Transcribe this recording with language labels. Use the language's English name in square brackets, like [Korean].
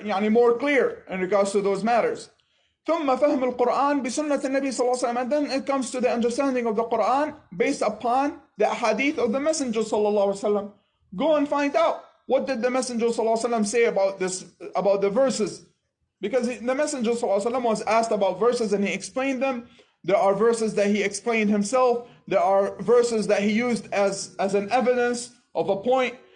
[English] More clear in regards to those matters. [Arabic] ثم فهم القرآن بسنة النبي صلى الله عليه وسلم. [English] And then it comes to the understanding of the Quran based upon the hadith of the Messenger [Arabic] صلى الله عليه وسلم. [English] Go and find out what did the Messenger [Arabic] صلى الله عليه وسلم [English] say about this, about the verses. Because the Messenger [Arabic] صلى الله عليه وسلم [English] was asked about verses and he explained them. There are verses that he explained himself. There are verses that he used as an evidence of a point.